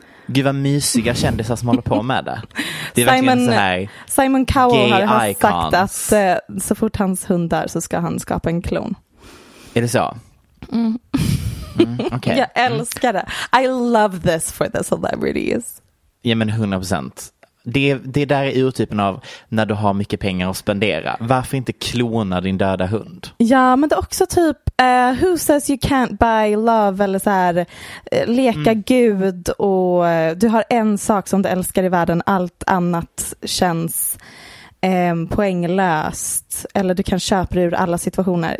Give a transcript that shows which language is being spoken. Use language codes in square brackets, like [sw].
[sv] Gud vad mysiga kändisar som håller på med det. Det är Simon, så här, Simon Cowell har sagt att så fort hans hund dör så ska han skapa en klon. Är det så? Okay. Jag älskar det. [en] I love this for the celebrities. [sv] Ja, men 100%. Det där är urtypen av när du har mycket pengar att spendera. Varför inte klona din döda hund? Ja, men det är också typ [en] who says you can't buy love [sv] eller så här, leka gud och du har en sak som du älskar i världen, allt annat känns poänglöst eller du kan köpa dig ur alla situationer.